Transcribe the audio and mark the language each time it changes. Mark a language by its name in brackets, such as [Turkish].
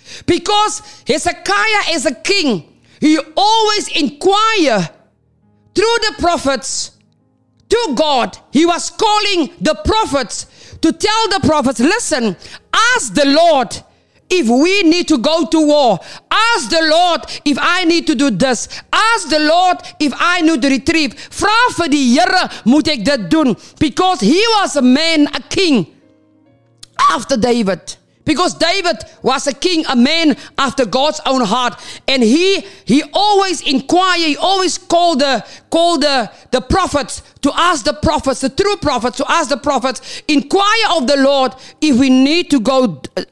[English] Because Hezekiah is a king, he always inquired through the prophets to God. He was calling the prophets to tell the prophets, listen, ask the Lord, if we need to go to war, ask the Lord if I need to do this. Ask the Lord if I need to retrieve. [Afrikaans] Vra vir die Here moet ek dit doen. [English] Because he was a man, a king after David. Because David was a king, a man after God's own heart. And he always inquired, he always called the prophets to ask the prophets, the true prophets, to ask the prophets, inquire of the Lord if we need to go.